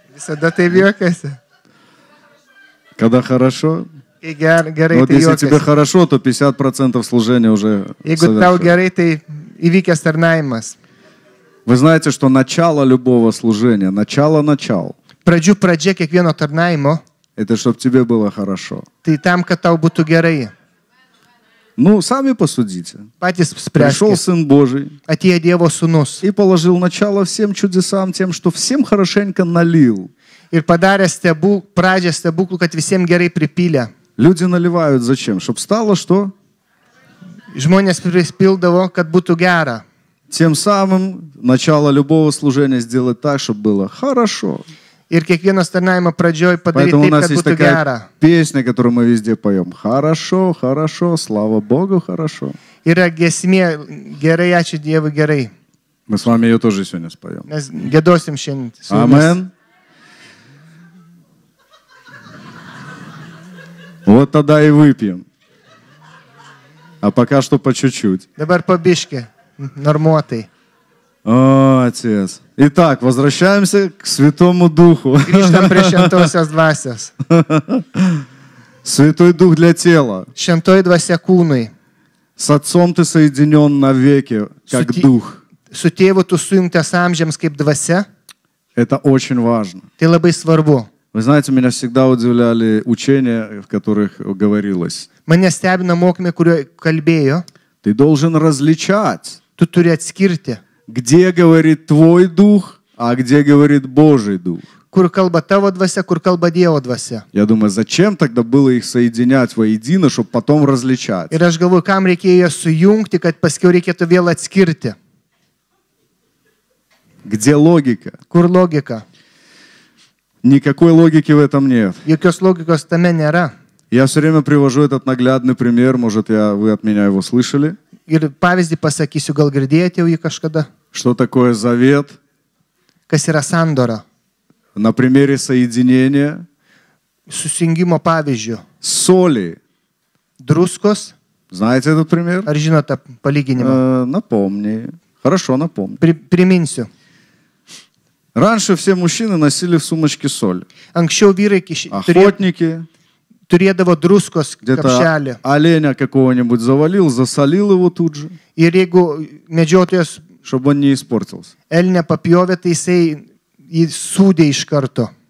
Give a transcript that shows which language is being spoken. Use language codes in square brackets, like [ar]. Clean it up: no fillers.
[ru] Всегда ты вьёкайся. Когда хорошо? И гер, вот если тебе хорошо, то 50% служения уже совершено. Вы знаете, что начало любого служения, начало-начал. [lt] Pradžia kiekvieno tarnaimo. [ru] Это чтобы тебе было хорошо. Ты там, когда тебе будет хорошо. Ну, сами посудите. [lt] Patys [ru] спряжки. Пришел Сын Божий. [lt] Atėjo Dievo Sūnus. [ru] И положил начало всем чудесам тем, что всем хорошенько налил. [lt] Ir padarė pradžią stebuklų, kad visiems gerai pripylė. [ru] Люди наливают зачем? Чтоб стало что? [lt] Žmonės prispildavo, kad būtų gera. [ru] Тем самым начало любого служения сделать так, чтобы было хорошо. [lt] Ir kiekvieno tarnavimo pradžioj padaryti taip, kad būtų gera. [ru] Песня, которую мы везде поем. Хорошо, хорошо, слава Богу, хорошо. [lt] Yra giesmė, gerai, ačiū Dievui, gerai. [ru] Мы с вами ее тоже сегодня споем. [lt] Mes gėdosim šiandien. Amen. [ru] Вот тогда и выпьем. А пока что по чуть-чуть. [lt] Dabar po biškį, normuotai. [ru] О, отец. Итак, возвращаемся к Святому Духу. [lt] Grįžtam prie šventosios dvasios. [ru] Святой Дух для тела. [lt] Šventoji dvasia kūnui. [ru] С Отцом ты соединен навеки, как Дух. [lt] Su Tėvu tu sujungtas amžiams kaip dvasia. [ru] Это очень важно. [lt] Tai labai svarbu. [ru] Вы знаете, меня всегда удивляли учения, в которых говорилось. [lt] Mane stebina mokymai, kurio kalbėjo. [ru] Ты должен различать. [lt] Tu turi atskirti. [ru] Где говорит твой дух, а где говорит Божий дух? [lt] Kur kalba tavo dvasia, kur kalba Dievo dvasia. [ru] Я думаю, зачем тогда было их соединять воедино, чтобы потом различать? [lt] Ir aš galvoju, kam reikėjo jas sujungti, kad paskui reikėtų vėl atskirti. [ru] Где логика? [lt] Kur logika? [ru] Никакой логики в этом нет. [lt] Jokios logikos tame nėra. [ru] Я все время привожу этот наглядный пример, может, вы от меня его слышали. [lt] Ir pavyzdį pasakysiu, gal girdėjote jį kažkada. [ru] Что такое завет? [lt] Kas yra sandora? [ru] На примере соединения. [lt] Susijungimo pavyzdžių. [ru] Соли. [lt] Druskos. [ru] Знаете этот пример? [lt] Ar žinote palyginimą? [ru] Напомни. Хорошо, напомни. [lt] Priminsiu. [ru] Раньше все мужчины носили в сумочке соль. [lt] Anksčiau vyrai [ru] охотники. [lt] Turėdavo druskos kapšelį. [ru] Оленя какого-нибудь завалил, засолил его тут же. [lt] Ir jeigu medžiotojas, [ru] чтобы он не испортился. [lt] Elnia papjovė, tai jisai jį sūdė iš karto.